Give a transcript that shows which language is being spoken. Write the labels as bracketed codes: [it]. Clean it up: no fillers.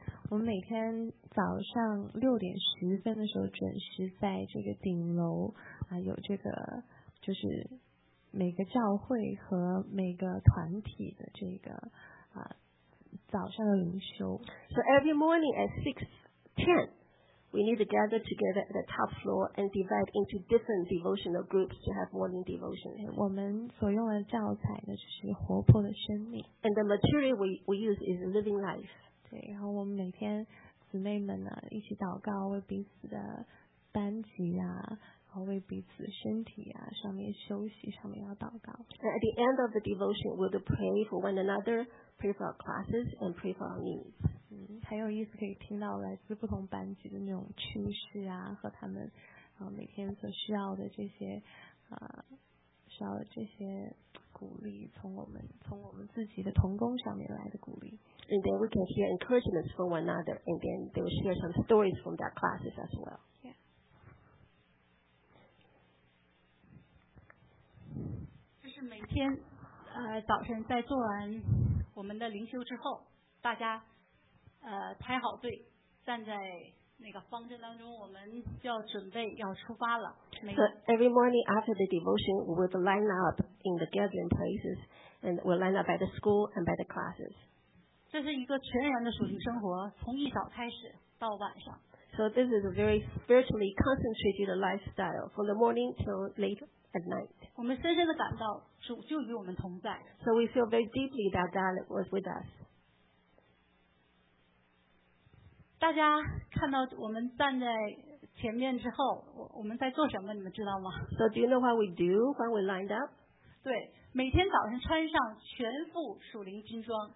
[zh] 我们每天早上6:10的时候准时在这个顶楼啊，有这个就是每个教会和每个团体的这个啊。早上的灵修。 [en] So every morning at 6:10, we need to gather together at the top floor and divide into different devotional groups to have morning devotion. [zh] 我们所用的教材呢，就是活泼的生命。 [en] And the material we use is living life. [zh] 对，然后我们每天姊妹们呢一起祷告，为彼此的班级啊，然后为彼此身体啊上面休息上面要祷告。 [en] And at the end of the devotion, we'll pray for one another. Pray for our classes and pray for our needs. [zh] 很有意思，可以听到来自不同班级的那种趣事啊，和他们每天所需要的这些需要的这些鼓励，从我们自己的同工上面来的鼓励。 [en] And then we can hear encouragements from one another, and then they will share some stories from their classes as well. Yeah. [zh] 就是每天早晨在做完。我们的灵修之后，大家排好队，站在那个方阵当中，我们就要准备要出发了。 [en] So every morning after the devotion, we would line up in the gathering places, and we'll line up by the school and by the classes. [zh] 这是一个全然的属灵生活，从一早开始到晚上。 [en] So this is a very spiritually concentrated lifestyle from the morning till late. [zh] 我们深深地感到主就与我们同在。 [en] So we feel very deeply that God was with us. [zh] 大家看到我们站在前面之后，我们在做什么，你们知道吗？ [en] So do you know what we do when we lined up? [zh] 对，每天早上穿上全副属灵军装。